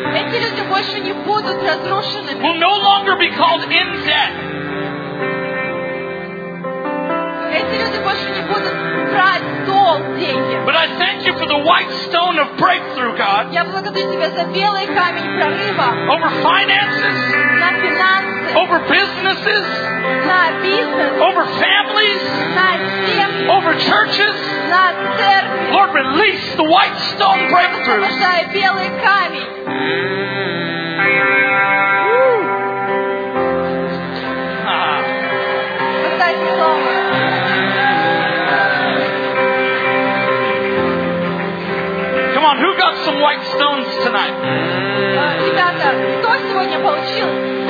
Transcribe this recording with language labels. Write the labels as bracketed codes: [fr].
[ru] Эти люди больше не будут разрушенными. [en] Will no longer be called in debt. [ru] Эти люди больше не будут брать долг, деньги. [en] But I thank you for the white stone of breakthrough, God. [ru] Я благодарю тебя за белый камень прорыва. [en] Over finances. [ru] На финансы. [en] Over businesses. [ru] На бизнес. [en] Over families. [ru] На семьи. [en] Over churches. Lord, release the white stone breakthrough. Come on, who got some white stones tonight? [ru] Ребята, кто сегодня получил?